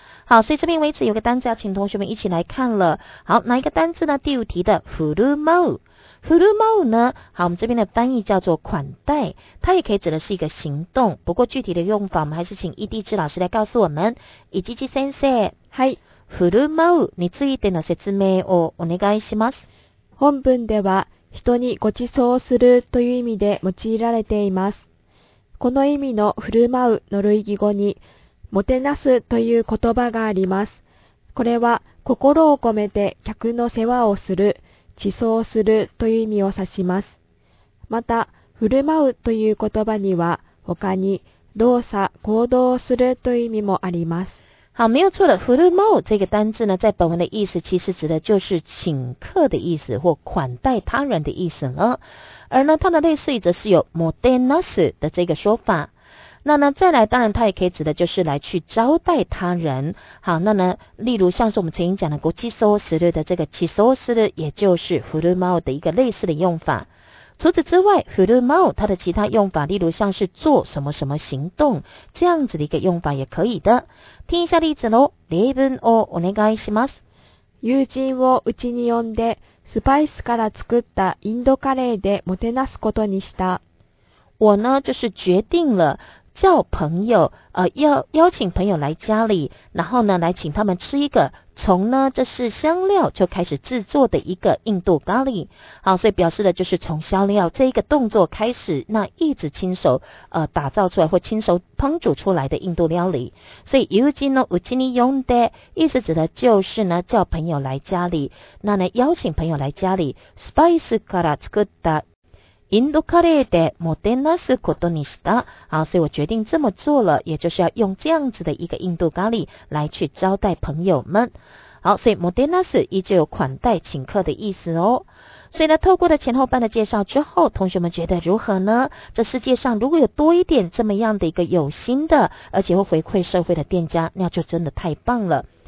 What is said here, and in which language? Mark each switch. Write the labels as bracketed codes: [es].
[zh] 好，所以这边为止有个单字要请同学们一起来看了。好，哪一个单字呢？第五题的フルマウ。フルマウ呢，好，我们这边的翻译叫做款待，它也可以指的是一个行动，不过具体的用法我们还是请伊地知老师来告诉我们。 [ja] 伊地知先生，はい、フルマウについての説明をお願いします。本文では人にご馳走するという意味で用いられています。この意味のフルマウの類義語にもてなすという言葉があります。これは心を込めて客の世話をする、馳走するという意味を指します。また、振る舞うという言葉には、他に動作、行動をするという意味もあります。 [zh] 好，没有错了。振る舞う这个单字呢，在本文的意思其实指的就是请客的意思或款待他人的意思呢。而呢，它的类似语则是有もてなす的这个说法。那呢再来当然它也可以指的就是来去招待他人。好，那呢例如像是我们曾经讲的ごちそうする的这个ちそうする也就是振る舞う的一个类似的用法。除此之外，振る舞う它的其他用法例如像是做什么什么行动这样子的一个用法也可以的。听一下例子咯。 [ja] 例文をお願いします。友人をうちに呼んでスパイスから作ったインドカレーでもてなすことにした。 [zh] 我呢就是决定了叫朋友邀请朋友来家里，然后呢来请他们吃一个从呢这是香料就开始制作的一个印度咖喱。好，所以表示的就是从香料这一个动作开始，那一直亲手打造出来或亲手烹煮出来的印度料理。所以 [ja] 友人のうちに呼んで [zh] 意思指的就是呢叫朋友来家里，那呢邀请朋友来家里。 [ja] スパイスから作ったインドカレーでもてなすことにした。 [zh] 好，所以我决定这么做了，也就是要用这样子的一个印度咖喱来去招待朋友们。好，所以もてなす依旧有款待请客的意思哦。所以呢透过了前后半的介绍之后，同学们觉得如何呢？这世界上如果有多一点这么样的一个有心的而且会回馈社会的店家，那就真的太棒了。